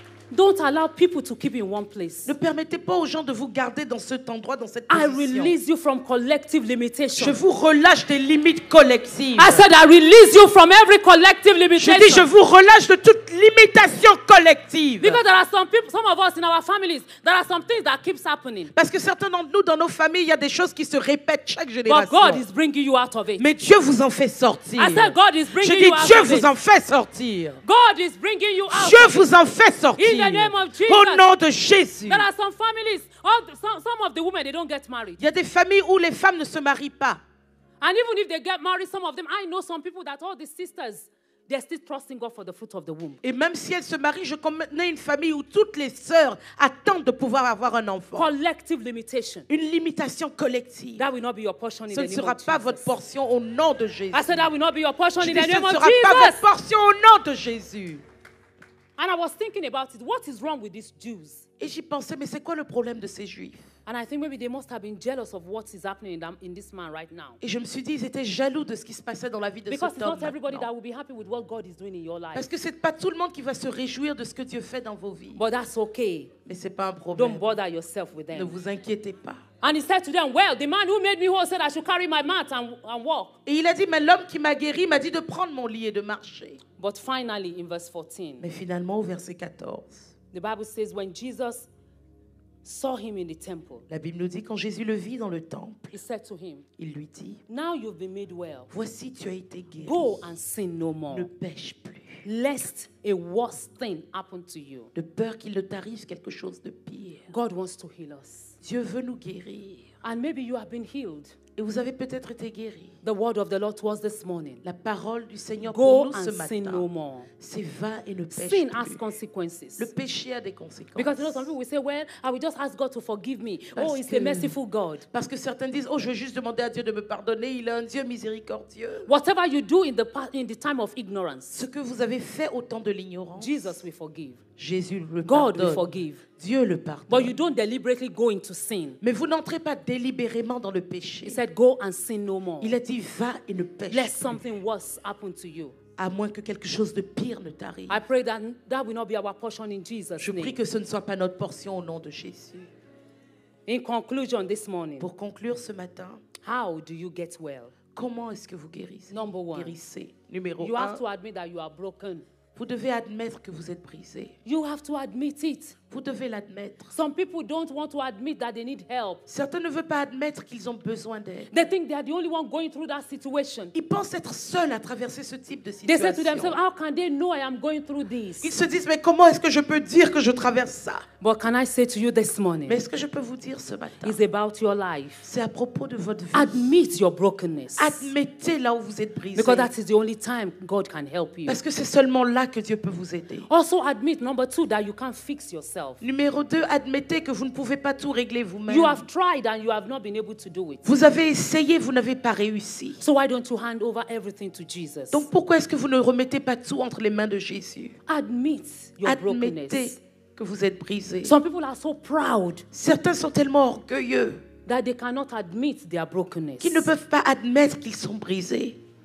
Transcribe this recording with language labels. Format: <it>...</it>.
<en>Don't allow people to keep in one place.</en> <fr>Ne permettez pas aux gens de vous garder dans cet endroit, dans cette</fr> <en>I</en> <fr>position.</fr> <en>I release you from collective limitations.</en> <fr>Je vous relâche des limites collectives.</fr> <en>I said I release you from every collective limitation.</en> <fr>Je dis je vous relâche de toute limitation collective.</fr> <en>Because there are some people, some of us in our families, there are some things that keeps happening.</en> <fr>Parce que certains d'entre nous dans nos familles, il y a des choses qui se répètent chaque génération.</fr> <en>But God is bringing you out of it.</en> <fr>Mais Dieu vous en fait sortir.</fr> <en>I said God is bringing</en> <fr>je</fr> <en>you out of it.</en> <fr>Je dis Dieu vous en fait sortir.</fr> <en>God is bringing you out.</en> <fr>Dieu vous en fait sortir.</fr> <en>In the name of Jesus.</en> <fr>Au nom de Jésus.</fr> <en>There are some families, some of the women they don't get married.</en> <fr>Il y a des familles où les femmes ne se marient pas.</fr> <en>And even if they get married, some of them, I know some people that all the sisters, they're still trusting God for the fruit of the womb.</en> <fr>Et même si elles se marient, je connais une famille où toutes les sœurs attendent de pouvoir avoir un enfant.</fr> <en>Collective limitation.</en> <fr>Une limitation collective.</fr> <en>That will not be your portion in</en> <fr>ce</fr> <en>the name</en> <fr>ne sera</fr> <en>of</en> <fr>pas</fr> <en>Jesus.</en> <fr>Votre portion au nom de Jésus.</fr> <en>I said that will not be your portion</en> <fr>je</fr> <en>in the name of Jesus.</en> <fr>Ce ne sera pas votre portion au nom de Jésus.</fr> <en>And I was thinking about it. What is wrong with these Jews?</en> <fr>Et j'y pensais, mais c'est quoi le problème de ces Juifs?</fr> <en>And I think maybe they must have been jealous of what is happening in this man right now.</en> <fr>Et je me suis dit, ils étaient jaloux de ce qui se passait dans la vie de</fr> <en>Because</en> <fr>cet homme.</fr> <en>Because it's not everybody that will be happy with what God is doing in your life.</en> <fr>Parce que c'est pas tout le monde qui va se réjouir de ce que Dieu fait dans vos vies.</fr> <en>But that's okay.</en> <fr>Mais c'est pas un problème.</fr> <en>Don't bother yourself with them.</en> <fr>Ne vous inquiétez pas.</fr> <en>And he said to them, "Well, the man who made me whole said I should carry my mat and walk."</en> <fr>Et il a dit, mais l'homme qui m'a guéri m'a dit de prendre mon lit et de marcher.</fr> <en>But finally, in verse 14.</en> <fr>Mais finalement, au verset 14.</fr> <en>The Bible says, when Jesus saw him in the temple.</en> <fr>La Bible nous dit quand Jésus le vit dans le temple.</fr> <en>He said to him.</en> <fr>Il lui dit.</fr> <en>Now you've been made well.</en> <fr>Voici, tu as été guéri.</fr> <en>Go and sin no more.</en> <fr>Ne pêche plus.</fr> <en>Lest a worse thing happen to you.</en> <fr>De peur qu'il ne t'arrive quelque chose de pire.</fr> <en>God wants to heal us.</en> <fr>Dieu veut nous guérir.</fr> <en>And maybe you have been healed.</en> <fr>Et vous avez peut-être été guéri.</fr> <en>The word of the Lord to us this morning.</en> <fr>La parole du Seigneur</fr> <en>Go</en> <fr>pour nous ce matin.</fr> <en>Go and sin no more.</en> <fr>C'est va et ne pêche</fr> <en>sin</en> <fr>plus.</fr> <en>Sin has consequences.</en> <fr>Le péché a des conséquences.</fr> <en>Because you know some people will say, well, I will just ask God to forgive me. Oh, he's a merciful God.</en> <fr>Parce que certains disent, oh, je veux juste demander à Dieu de me pardonner. Il est un Dieu miséricordieux.</fr> <en>Whatever you do in the time of ignorance.</en> <fr>Ce que vous avez fait au temps de l'ignorance.</fr> <en>Jesus will forgive.</en> <fr>Jésus le</fr> <en>God</en> <fr>pardonne.</fr> <en>Will forgive.</en> <fr>Dieu le pardonne.</fr> <en>But you don't deliberately go into sin.</en> <fr>Mais vous n'entrez pas délibérément dans le péché.</fr> <en>He said, go and sin no more.</en> <fr>Il a dit, va et ne pêche</fr> <en>Let something worse happen to you.</en> <fr>À moins que quelque chose de pire ne t'arrive.</fr> <en>I pray that will not be our portion in Jesus'</en> <fr>Je prie que ce ne soit pas notre portion au nom de Jésus.</fr> <en>In conclusion this morning.</en> <fr>Pour conclure ce matin.</fr> <en>How do you get well?</en> <fr>Comment est-ce que vous guérissez?</fr> <en>Number one.</en> <fr>Guérissez. Numéro</fr> <en>you</en> <fr>un.</fr> <en>You have to admit that you are broken.</en> <fr>Vous devez admettre que vous êtes brisé.</fr> <en>You have to admit it.</en> <fr>Vous devez l'admettre.</fr> <en>Some people don't want to admit that they need help.</en> <fr>Certains ne veulent pas admettre qu'ils ont besoin d'aide.</fr> <en>They think they are the only one going through that situation.</en> <fr>Ils pensent être seuls à traverser ce type de situation.</fr> <en>They say to themselves, how can they know I am going through this?</en> <fr>Ils se disent, mais comment est-ce que je peux dire que je traverse ça?</fr> <en>But can I say to you this morning?</en> <fr>Mais est-ce que je peux vous dire ce matin?</fr> <en>It's about your life.</en> <fr>C'est à propos de votre vie.</fr> <en>Admit your brokenness.</en> <fr>Admettez là où vous êtes brisé.</fr> <en>Because that is the only time God can help you.</en> <fr>Parce que c'est seulement là que Dieu peut vous aider.</fr> <en>Also admit number two that you can't fix yourself.</en> <fr>Numéro 2, admettez que vous ne pouvez pas tout régler vous-même.</fr> <en>You have tried and you have not been able to do it.</en> <fr>Vous avez essayé, vous n'avez pas réussi.</fr> <en>So why don't you hand over everything to Jesus?</en> <fr>Donc pourquoi est-ce que vous ne remettez pas tout entre les mains de Jésus?</fr> <en>Admit your brokenness.</en> <fr>Admettez que vous êtes brisé.</fr> <en>Some people are so proud.</en> <fr>Certains sont tellement orgueilleux</fr> <en>that they cannot admit their brokenness.</en> <fr>Qu'ils ne peuvent pas admettre qu'ils sont brisés.</fr>